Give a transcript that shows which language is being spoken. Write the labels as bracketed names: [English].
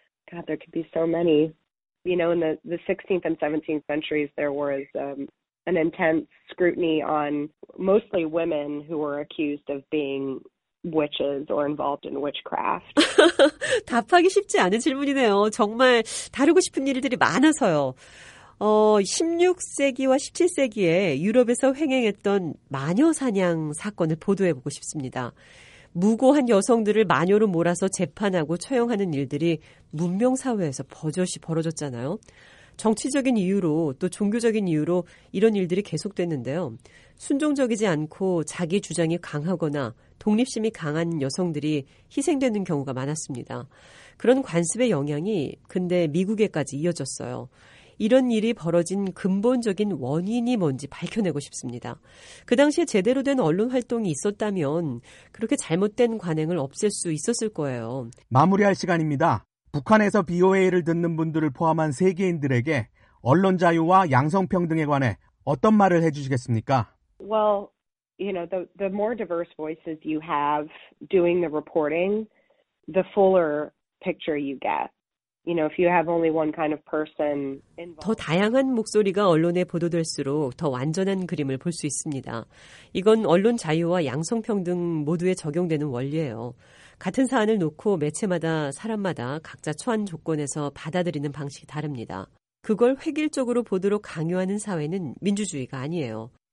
[English] God, there could be so many. You know, in the 16th and 17th centuries, there was an intense scrutiny on mostly women who were accused of being witches or involved in witchcraft. [Korean] 답하기 쉽지 않은 질문이네요. 정말 다루고 싶은 일들이 많아서요. 16세기와 17세기에 유럽에서 횡행했던 마녀 사냥 사건을 보도해 보고 싶습니다. 무고한 여성들을 마녀로 몰아서 재판하고 처형하는 일들이 문명사회에서 버젓이 벌어졌잖아요. 정치적인 이유로 또 종교적인 이유로 이런 일들이 계속됐는데요. 순종적이지 않고 자기 주장이 강하거나 독립심이 강한 여성들이 희생되는 경우가 많았습니다. 그런 관습의 영향이 근대 미국에까지 이어졌어요. 이런 일이 벌어진 근본적인 원인이 뭔지 밝혀내고 싶습니다. 그 당시에 제대로 된 언론 활동이 있었다면 그렇게 잘못된 관행을 없앨 수 있었을 거예요. 마무리할 시간입니다. 북한에서 BOA를 듣는 분들을 포함한 세계인들에게 언론 자유와 양성평등에 관해 어떤 말을 해주시겠습니까? [English] Well, you know, the more diverse voices you have doing the reporting, the fuller picture you get. You know, if you have only one kind of person involved. [Korean] 더 다양한 목소리가 언론에 보도될수록 더 완전한 그림을 볼 수 있습니다. 이건 언론 자유와 양성평등 모두에 적용되는 원리예요. 같은 사안을 놓고 매체마다 사람마다 각자 처한 조건에서 받아들이는 방식이 다릅니다. 그걸 획일적으로 보도록 강요하는 사회는 민주주의가 아니에요.